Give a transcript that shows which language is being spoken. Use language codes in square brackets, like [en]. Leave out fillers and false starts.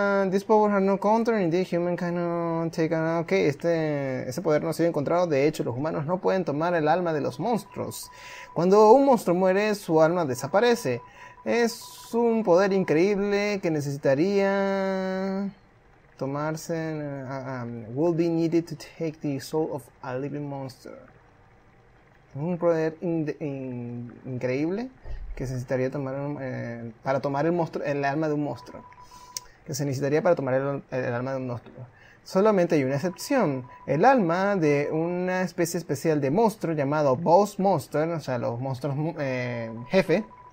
[en] This power has no counter, indeed human cannot take an... [es] Okay, ese poder no ha sido encontrado. De hecho, los humanos no pueden tomar el alma de los monstruos. Cuando un monstruo muere, su alma desaparece. Es un poder increíble que necesitaría tomarse. [en] Will be needed to take the soul of a living monster. [es] Un poder increíble que se necesitaría tomar para tomar el monstruo, el alma de un monstruo. Que se necesitaría para tomar el alma de un monstruo. Solamente hay una excepción. El alma de una especie especial de monstruo llamado Boss Monster, o sea, los monstruos jefe.